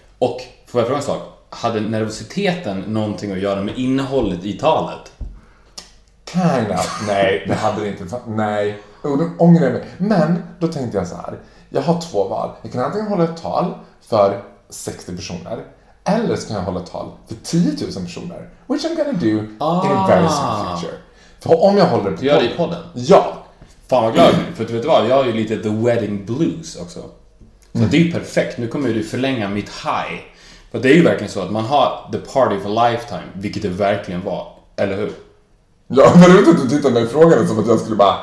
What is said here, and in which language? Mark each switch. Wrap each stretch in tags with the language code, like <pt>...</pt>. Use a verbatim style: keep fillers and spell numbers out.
<sv>Och, får jag fråga en sak? Hade nervositeten någonting att göra med innehållet i talet?</sv> <en>Kind of.</en> <sv>Nej, det hade det inte. Nej, ångrar mig. Men då tänkte jag så här. jag har två val. Jag kan antingen hålla ett tal för sextio personer, eller så kan jag hålla ett tal för tio tusen personer.</sv> <en>Which I'm gonna do ah. in a very soon future.</en> <sv>För om jag håller det på gör det i podden? Ja. Fan vad glad. För du vet vad, jag har ju lite</sv> <en>the wedding blues</en> <sv>också. Så mm. det är ju perfekt. Nu kommer du förlänga mitt high. För det är ju verkligen så att man har</sv> <en>the party for a lifetime,</en> <sv>vilket det verkligen var. Eller hur? Ja, men du vet inte att du tittar mig i frågan som att jag skulle bara...</sv>